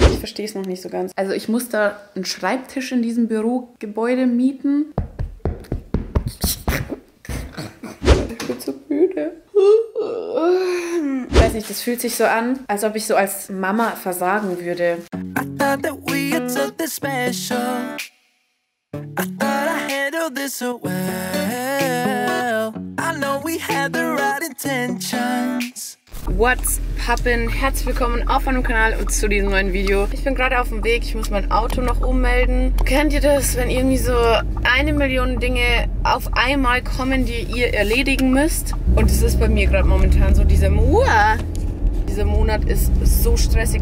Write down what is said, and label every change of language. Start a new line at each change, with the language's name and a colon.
German: Ich verstehe es noch nicht so ganz. Also ich muss da einen Schreibtisch in diesem Bürogebäude mieten. Ich bin so müde. Ich weiß nicht, das fühlt sich so an, als ob ich so als Mama versagen würde.
English: I thought that we had something special. I thought I handled this so well. I know we had the right intentions. What's poppin?
German: Herzlich willkommen auf meinem Kanal und zu diesem neuen Video. Ich bin gerade auf dem Weg, ich muss mein Auto noch ummelden. Kennt ihr das, wenn irgendwie so eine Million Dinge auf einmal kommen, die ihr erledigen müsst? Und es ist bei mir gerade momentan so dieser Monat ist so stressig.